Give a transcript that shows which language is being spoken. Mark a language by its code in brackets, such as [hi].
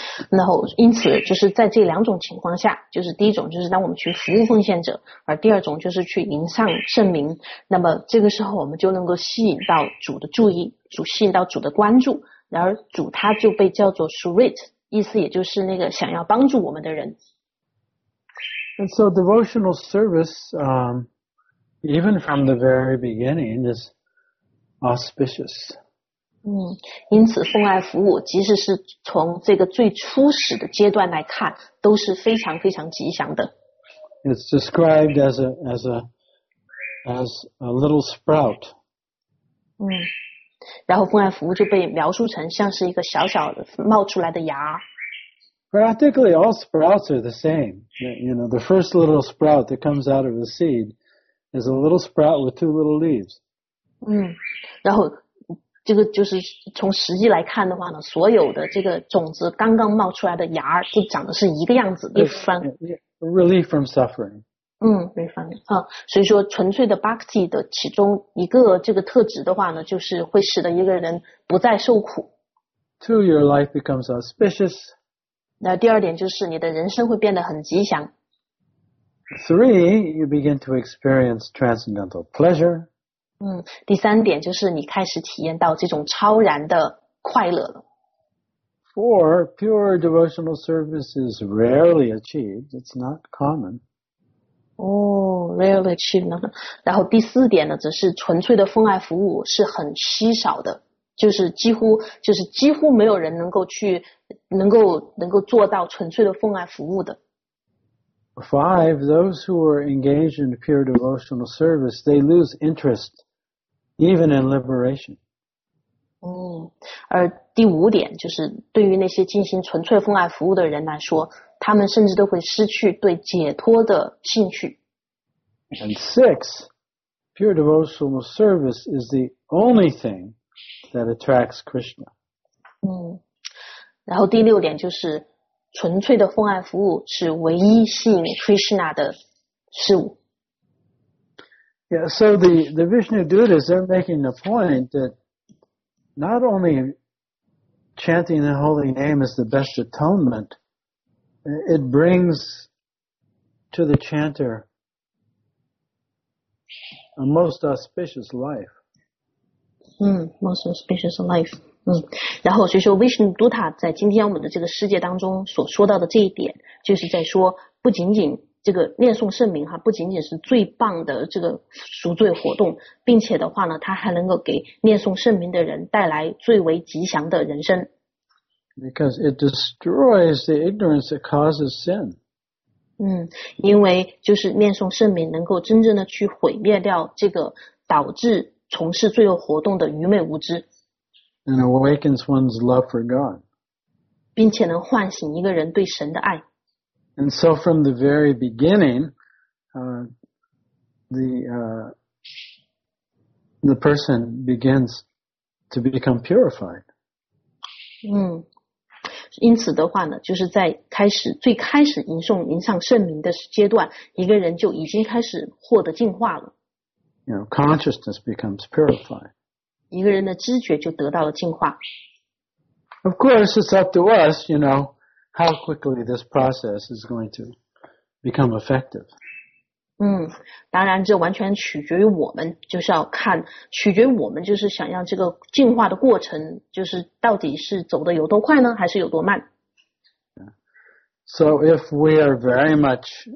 [zh] 然后因此就是在这两种情况下，就是第一种就是当我们去服务奉献者，而第二种就是去迎上圣名，那么这个时候我们就能够吸引到主的注意，主吸引到主的关注，然而主他就被叫做 Sirit, 意思也就是那个想要帮助我们的人。 [en] And so devotional service, even from the very beginning, is auspicious. [zh] 因此奉爱服务，即使是从这个最初始的阶段来看，都是非常非常吉祥的。 [en] It's described as a little sprout. [zh] 然后奉爱服务就被描述成像是一个小小的冒出来的芽。 [en] Practically all sprouts are the same. You know, the first little sprout that comes out of the seed is a little sprout with two little leaves. [zh] 然后这个就是从实际来看的话呢，所有的这个种子刚刚冒出来的芽就长得是一个样子，一番。 [en] Relief from suffering. 一番。 [zh] 所以说纯粹的 Bhakti 的其中一个这个特质的话呢，就是会使得一个人不再受苦。 [en] Two, your life becomes auspicious. [zh] 那第二点就是你的人生会变得很吉祥。 [en] Three, you begin to experience transcendental pleasure. [zh] 第三点就是你开始体验到这种超然的快乐了。 [en] Four, pure devotional service is rarely achieved. It's not common. Rarely achieved. [zh] 然后第四点呢，则是纯粹的奉爱服务是很稀少的。就是几乎没有人能够做到纯粹的奉爱服务的。 [en] Five, those who are engaged in pure devotional service, they lose interest even in liberation. [zh] 而第五点就是对于那些进行纯粹奉爱服务的人来说，他们甚至都会失去对解脱的兴趣。 [en] And six, pure devotional service is the only thing. That attracts Krishna. [zh] 然后第六点就是纯粹的奉爱服务是唯一吸引 Krishna 的事物。 [en] Yeah, so the Vishnu Dutas, they're making the point that not only chanting the holy name is the best atonement, it brings to the chanter a most auspicious life. Most auspicious life. [zh] 然后所以说 Vishnu Dutta 在今天我们的这个世界当中所说到的这一点，就是在说不仅仅这个念诵圣名哈，不仅仅是最棒的这个赎罪活动，并且的话呢，它还能够给念诵圣名的人带来最为吉祥的人生。 [en] Because it destroys the ignorance that causes sin. [zh] 因为就是念诵圣名能够真正的去毁灭掉这个导致从事罪恶活动的愚昧无知。 [en] And awakens one's love for God. [zh] 并且能唤醒一个人对神的爱。 [en] And so from the very beginning, the person begins to become purified. [zh] 因此的话呢，就是在最开始迎上圣名的阶段，一个人就已经开始获得净化了。 [en] You know, consciousness becomes purified. [zh] 一个人的知觉就得到了净化。 [en] Of course, it's up to us, you know, how quickly this process is going to become effective. [zh] 当然这完全取决于我们，就是要看，取决于我们就是想要这个净化的过程，就是到底是走得有多快呢，还是有多慢。 [en] So if we are very much...